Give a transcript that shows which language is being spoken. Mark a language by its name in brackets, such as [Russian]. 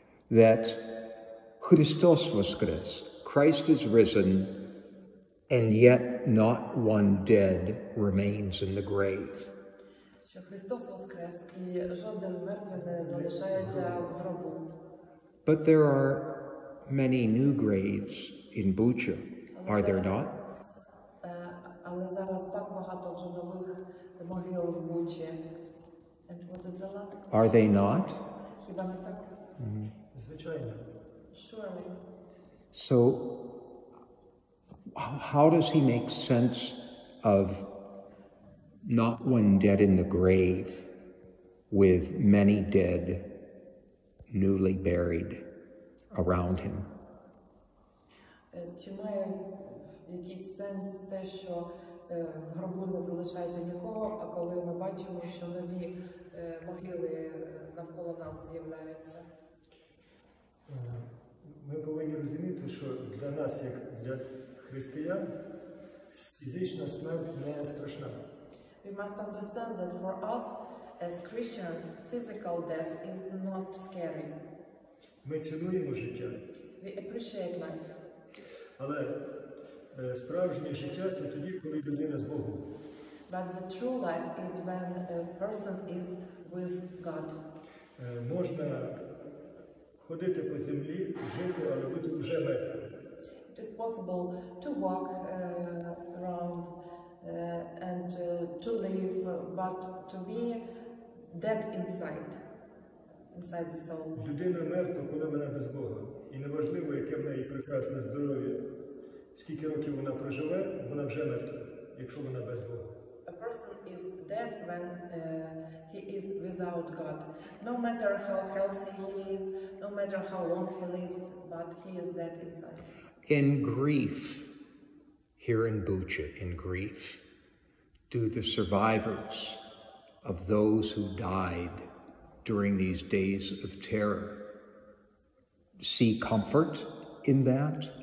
[English] that [Ukrainian] Христос воскрес, [English] Christ is risen, and yet not one dead remains in the grave. [Ukrainian] Що Христос воскрес і жоден мертвий не залишається в гробу. [English] But there are many new graves in Bucha, are there not? [Ukrainian] Але зараз так багато вже нових могил в Бучі. [English] And what is the last question? Are they not? [Ukrainian] Хіба не так? Звичайно. [English] Surely. So how does he make sense of not one dead in the grave with many dead newly buried around him? [Ukrainian] Чи має якийсь сенс те, що в гробу не залишається нікого, а коли ми бачимо, що нові могили навколо нас з'являються? Ми повинні розуміти, що для нас, як для християн, фізична смерть не страшна. [English] We must understand that for us, as Christians, physical death is not scary. [Ukrainian] Ми цінуємо життя. [English] We appreciate life. [Ukrainian] Але справжнє життя – це тоді, коли людина з Богом. [English] But the true life is when a person is with God. [Ukrainian] Можна ходити по землі, жити, але бути вже мертвим. [English] It is possible to walk around and to live, but to be dead inside the soul. [Ukrainian] Людина мертва, коли вона без Бога. І неважливо, яке в неї прекрасне здоров'я, скільки років вона проживе, вона вже мертва, якщо вона без Бога. [English] A person is dead when he is without God. No matter how healthy he is, no matter how long he lives, but he is dead inside. In grief, here in Bucha, in grief, do the survivors of those who died during these days of terror see comfort in that?